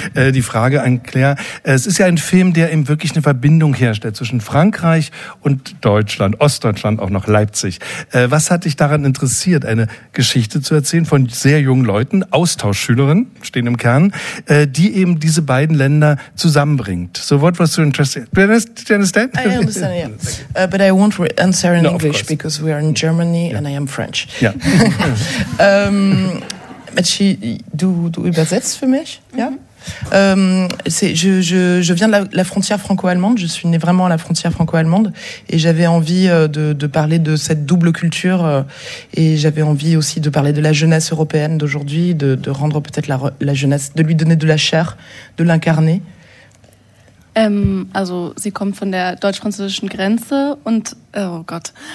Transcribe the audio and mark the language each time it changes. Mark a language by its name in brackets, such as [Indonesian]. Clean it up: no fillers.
[German] Die Frage an Claire. Es ist ja ein Film, der eben wirklich eine Verbindung herstellt zwischen Frankreich und Deutschland, Ostdeutschland, auch noch Leipzig. Was hat dich daran interessiert, eine Geschichte zu erzählen von sehr jungen Leuten, Austauschschülerinnen, stehen im Kern, die eben diese beiden Länder zusammenbringt? [English] So what was so interesting? Do you understand? I understand. Yeah. But I won't answer in English because we are in Germany and I am French. Yeah. [German] du übersetzt für mich? Ja. [French] Je viens de la frontière franco-allemande. Je suis née vraiment à la frontière franco-allemande et j'avais envie de parler de cette double culture et j'avais envie aussi de parler de la jeunesse européenne d'aujourd'hui, de rendre peut-être la jeunesse, de lui donner de la chair, de l'incarner. [German] Also sie kommt von der deutsch-französischen Grenze und oh Gott.